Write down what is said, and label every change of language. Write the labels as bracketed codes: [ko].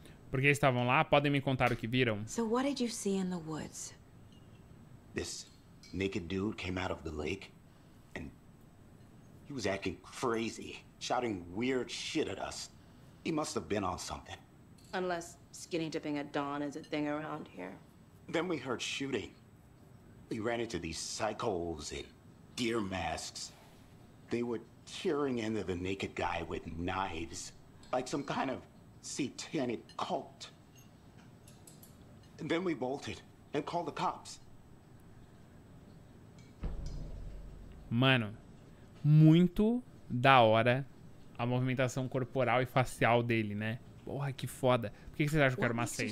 [pt] Porque estavam lá, podem me contar o que viram? [en] So what did you see in the woods? This naked dude came out of the lake and he was acting crazy, shouting weird shit at us. He must have been on something. Unless skinny dipping at dawn is a thing around here. Then we heard shooting. We ran into these psychos in deer masks. They would tearing into the naked guy with knives, like some kind of satanic cult. And then we bolted and called the cops. [pt] Mano, muito da hora a movimentação corporal e facial dele, né? Porra, que foda. Por que vocês acham que era uma seita?